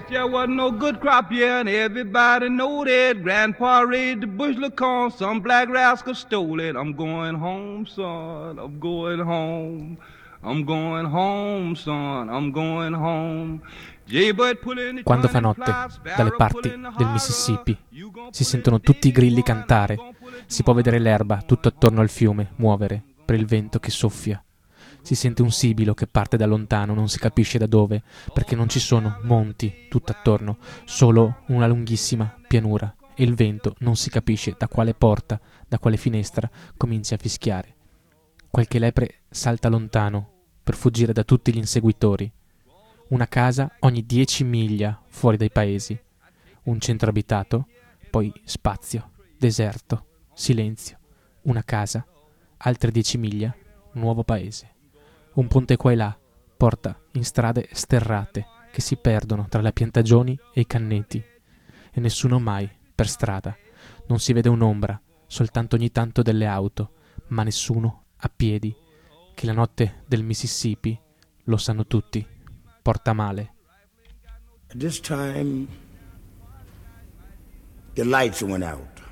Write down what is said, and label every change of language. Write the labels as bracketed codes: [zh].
[en] wasn't no good crop year, and everybody knowed it. Grandpa raised the bush of corn, some black rascal stole it. I'm going home, son, I'm going home. I'm going home, son, I'm going home. [it] Quando fa notte, dalle parti del Mississippi, si sentono tutti i grilli cantare, si può vedere l'erba tutto attorno al fiume muovere per il vento che soffia. Si sente un sibilo che parte da lontano, non si capisce da dove, perché non ci sono monti tutto attorno, solo una lunghissima pianura, e il vento non si capisce da quale porta, da quale finestra comincia a fischiare. Qualche lepre salta lontano per fuggire da tutti gli inseguitori. Una casa ogni 10 miglia fuori dai paesi, un centro abitato, poi spazio, deserto, silenzio, una casa, altre 10 miglia, nuovo paese. Un ponte qua e là porta in strade sterrate che si perdono tra le piantagioni e i canneti, e nessuno mai per strada, non si vede un'ombra, soltanto ogni tanto delle auto, ma nessuno a piedi, che la notte del Mississippi, lo sanno tutti, porta male. [en] This time the lights went out.